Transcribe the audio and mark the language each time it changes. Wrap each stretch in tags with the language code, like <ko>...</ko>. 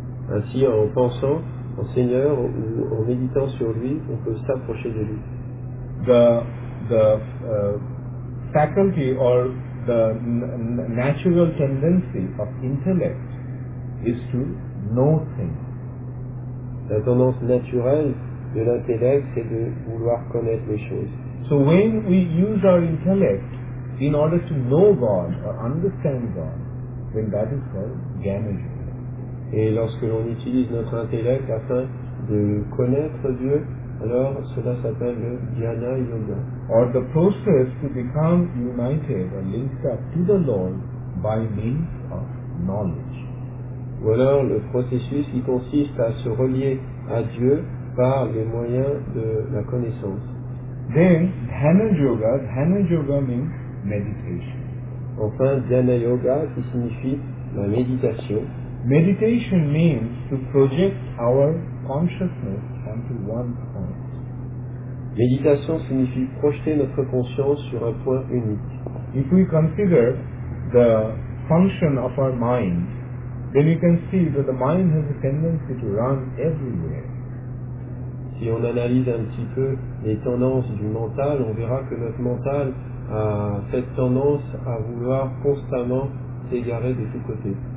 <fr>Ainsi, en pensant au Seigneur ou en méditant sur lui, on peut s'approcher de lui.</fr> <en>The faculty or the natural tendency of intellect is to know things.</en> <fr>La tendance naturelle de l'intellect, c'est de vouloir connaître les choses.</fr> <en>So when we use our intellect in order to know God or understand God, then that is called Jnana Yoga.</en> <fr>Et lorsque l'on utilise notre intellect afin de connaître Dieu, alors cela s'appelle le Jnana Yoga.</fr> <en>Or the process to become united or linked up to the Lord by means of knowledge.</en> <fr>Ou alors le processus qui consiste à se relier à Dieu par les moyens de la connaissance.</fr> <en>Then Jnana Yoga means meditation.</en> <fr>Enfin Jnana Yoga qui signifie la méditation.</fr> <en>Meditation means to project our consciousness onto one point.</en> <fr>Méditation signifie projeter notre conscience sur un point unique.</fr> <en>If we consider the function of our mind, then you can see that the mind has a tendency to run everywhere.</en> <fr>Si on analyse un petit peu les tendances du mental, on verra que notre mental a cette tendance à vouloir constamment s'égarer de tous côtés.</fr>